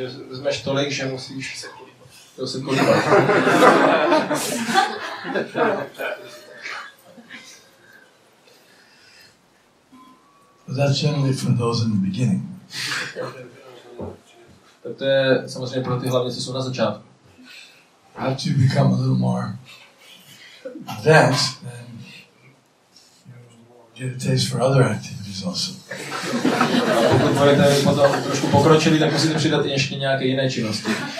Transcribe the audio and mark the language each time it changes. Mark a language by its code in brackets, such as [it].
[cs] Vezmeš tolik, že musíš se kulívat. [en] That's generally for those in the beginning. [cs] Tak to je samozřejmě pro ty hlavně, co jsou na začátku. [en] After you become a little more advanced, then you get a taste for other activities also. [cs] Pokud budete potom trošku pokročili, tak musíte přidat ještě nějaké jiné činnosti.